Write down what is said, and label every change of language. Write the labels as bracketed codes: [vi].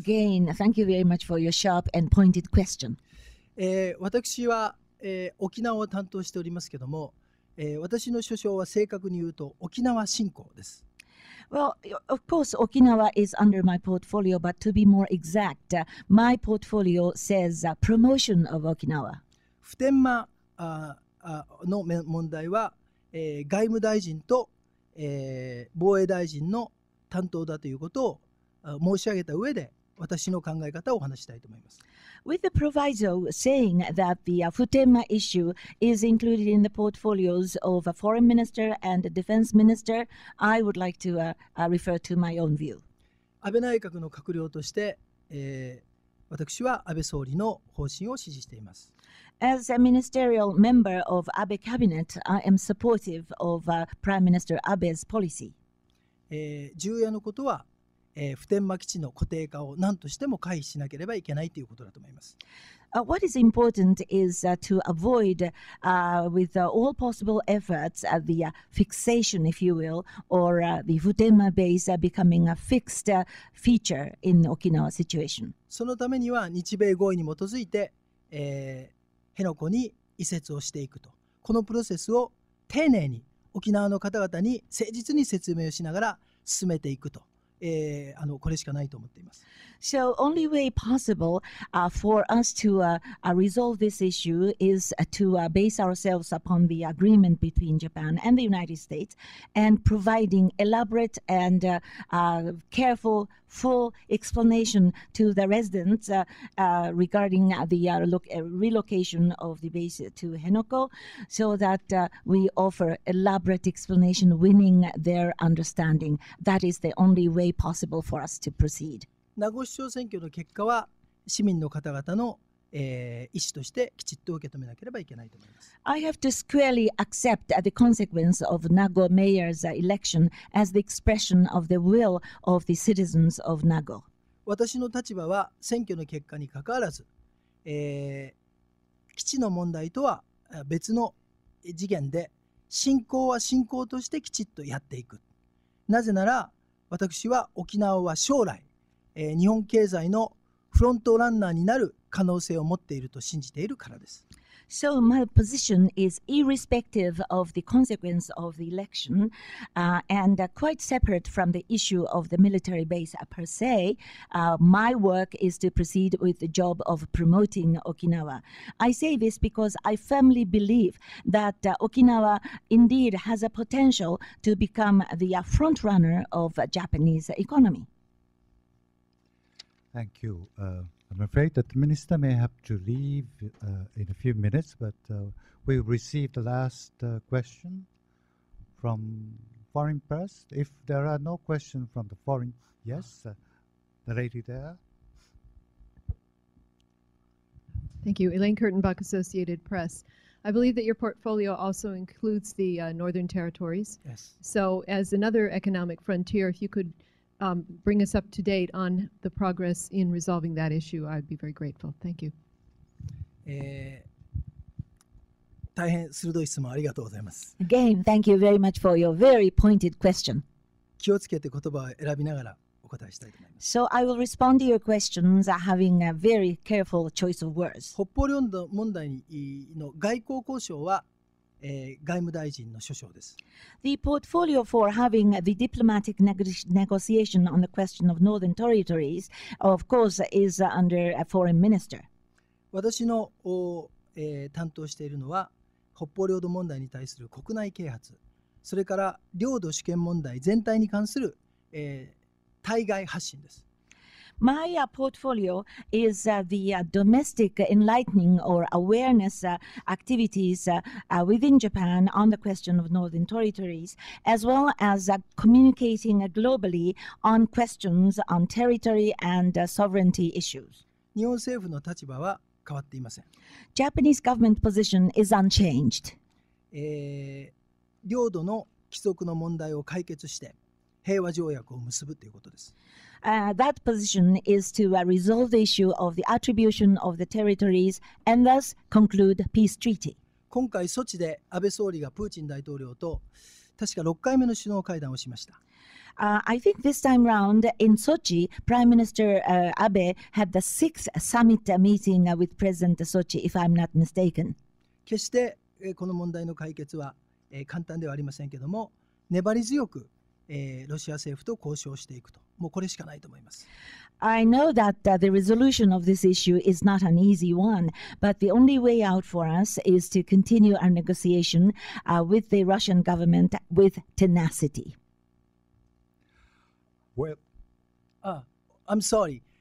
[en] Again, thank you very much for your sharp and pointed question. [ja] 私は、沖縄を担当しておりますけども、私の所掌は正確に言うと沖縄振興です。 [en] Well, of course, Okinawa is under my portfolio, but to be more exact, my portfolio says promotion of Okinawa. [ja] 普天間の問題は、外務大臣と、防衛大臣の担当だということを申し上げた上で、私の考え方をお話したいと思います。 [en] With the proviso saying that the Futenma issue is included in the portfolios of a foreign minister and a defense minister, I would like to refer to my own view. [ja] 安倍内閣の閣僚として、私は安倍総理の方針を支持しています。 [en] As a ministerial member of Abe cabinet, I am supportive of Prime Minister Abe's policy. [ja] 重要なことは、普天間基地の固定化を何としても回避しなければいけないということだと思います。 [en] What is important is to avoid, with all possible efforts, the fixation, if you will, or the Futenma base becoming a fixed feature in Okinawa situation. [ja] そのためには日米合意に基づいて、辺野古に移設をしていくと。このプロセスを丁寧に沖縄の方々に誠実に説明をしながら進めていくと。これしかないと思っています。 [en] So only way possible for us to resolve this issue is to base ourselves upon the agreement between Japan and the United States and providing elaborate and careful full explanation to the residents regarding the relocation of the base to Henoko so that we offer elaborate explanation winning their understanding. That is the only way possible for us to proceed. [ja] 名護市長選挙の結果は市民の方々の意思としてきちっと受け止めなければいけないと思います。 [en] I have to squarely accept the consequence of Nago mayor's election as the expression of the will of the citizens of Nago. [ja] 私の立場は選挙の結果にかかわらず、基地の問題とは別の次元で、振興は振興としてきちっとやっていく。なぜなら私は沖縄は将来、日本経済のフロントランナーになる可能性を持っていると信じているからです。 [en] So my position is irrespective of the consequence of the election and quite separate from the issue of the military base per se. My work is to proceed with the job of promoting Okinawa. I say this because I firmly believe that Okinawa indeed has a potential to become the front runner of Japanese economy. Thank you. I'm afraid that the minister may have to leave in a few minutes, but we received the last question from foreign press. If there are no questions from the foreign, yes, the lady there. Thank you. Elaine Kurtenbach, Associated Press. I believe that your portfolio also includes the Northern Territories. Yes. So as another economic frontier, if you could bring us up to date on the progress in resolving that issue, I'd be very grateful. Thank you. [ja] 大変鋭い質問ありがとうございます。 [en] Again, thank you very much for your very pointed question. [ja] 気をつけて言葉を選びながらお答えしたいと思います。 [en] So I will respond to your questions having a very careful choice of words. [ja] 北方領土問題の外交交渉は外務大臣の所掌です。 [en] The portfolio for having the diplomatic negotiation on the question of northern territories, of course, is under a foreign minister. [ja] 私の担当しているのは北方領土問題に対する国内啓発、それから領土主権問題全体に関する対外発信です。 [en] My portfolio is the domestic enlightening or awareness activities within Japan on the question of northern territories, as well as communicating globally on questions on territory and sovereignty issues. [ja] 日本政府の立場は変わっていません。 [en] Japanese government position is unchanged. [ja] 領土の帰属の問題を解決して平和条約を結ぶということです。 [en] That position is to resolve the issue of the attribution of the territories and thus conclude peace treaty. [ja] 今回ソチで安倍総理がプーチン大統領と確か6回目の首脳会談をしました。 [en] I think this time round in Sochi, Prime Minister Abe had the sixth summit meeting with President Sochi, if I'm not mistaken. [ja] 決してこの問題の解決は簡単ではありませんけれども、粘り強くロシア政府と交渉していくと、もうこれしかないと思います。 [en] I know that the resolution of this issue is not an easy one, but the only way out for us is to continue our negotiation with the Russian government with tenacity. Well, I'm sorry.